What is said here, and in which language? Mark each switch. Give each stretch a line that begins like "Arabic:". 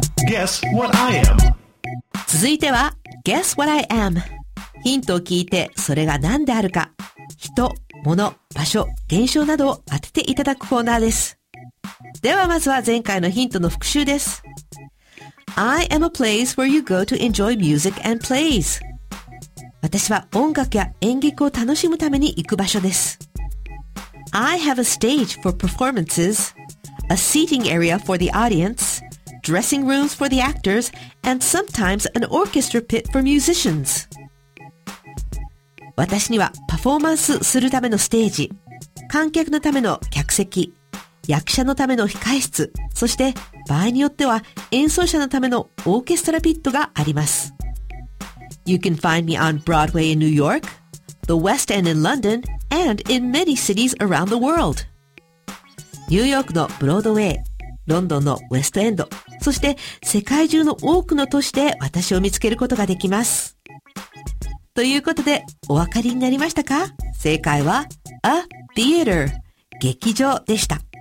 English: Guess what I am.
Japanese: 続いては
English: Guess what I am.
Japanese: ヒントを聞いてそれが何であるか、人、物、場所、現象などを当てていただくコーナーです。ではまずは前回のヒントの復習です。
English: I am a place where you go to enjoy music and plays.
Japanese: 私は音楽や演劇を楽しむために行く場所です。
English: I have a stage for performances, a seating area for the audience,dressing rooms for the actors, and sometimes an orchestra pit for musicians.
Japanese: 私にはパフォーマンスするためのステージ、観客のための客席、役者のための控え室、そして場合によっては演奏者のためのオーケストラピットがあります。
English: You can find me on Broadway in New York, the West End in London, and in many cities around the world.
Japanese: ニューヨークのブロードウェイ、ロンドンのウェストエンド、そして世界中の多くの都市で私を見つけることができます。ということでお分かりになりましたか？正解は A Theater、劇場でした。